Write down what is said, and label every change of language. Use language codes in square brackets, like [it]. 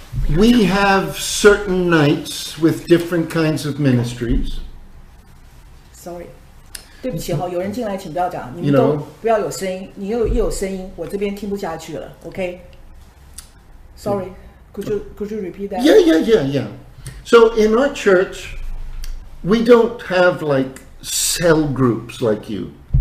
[en] we have certain nights with different kinds of ministries. Sorry. [zh] 对不起哈，有人进来，请不要讲，你们都不要有声音。 [en] You know, [zh] 你又一有声音，我这边听不下去了。 [en] OK, sorry, could you repeat that? Yeah, yeah, yeah, yeah. So in our church, we don't have like cell groups like you.